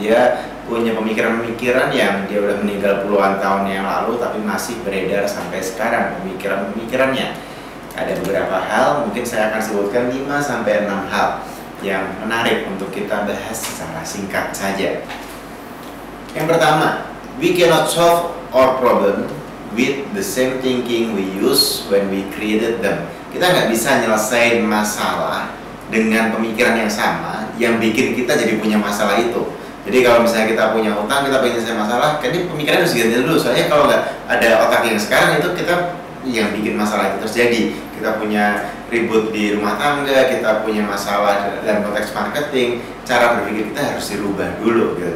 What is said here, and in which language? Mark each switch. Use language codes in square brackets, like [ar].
[id] Dia punya pemikiran-pemikiran yang dia udah meninggal puluhan tahun yang lalu tapi masih beredar sampai sekarang pemikiran-pemikirannya. Ada beberapa hal, mungkin saya akan sebutkan 5-6 hal yang menarik untuk kita bahas secara singkat saja. Yang pertama, [en] we cannot solve our problem with the same thinking we use when we created them. [id] Kita nggak bisa nyelesain masalah dengan pemikiran yang sama yang bikin kita jadi punya masalah itu. Jadi kalau misalnya kita punya utang, kita pengen nyelesain masalah, kan ini pemikiran harus ganti dulu. Soalnya kalau nggak ada otak yang sekarang, itu kita yang bikin masalah itu terjadi. Kita punya ribut di rumah tangga, kita punya masalah dalam konteks marketing, cara berpikir kita harus dirubah dulu gitu.